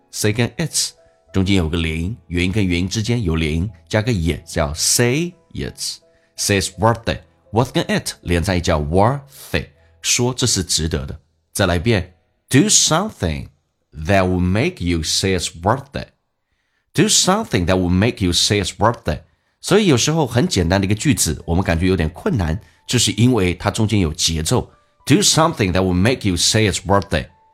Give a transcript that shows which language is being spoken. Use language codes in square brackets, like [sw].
[zh] Say 跟 it's. 中间有个连音，元音跟元音之间有连音，加个也叫 say it, [en] say it's worth it, [zh] worth 跟 it 连在一起叫 worth it, 说这是值得的。再来一遍 [en] ，do something that will make you say it's worth it, do something that will make you say it's worth it。 [zh] 所以有时候很简单的一个句子，我们感觉有点困难，就是因为它中间有节奏。 [en] Do something that will make you say it's worth it.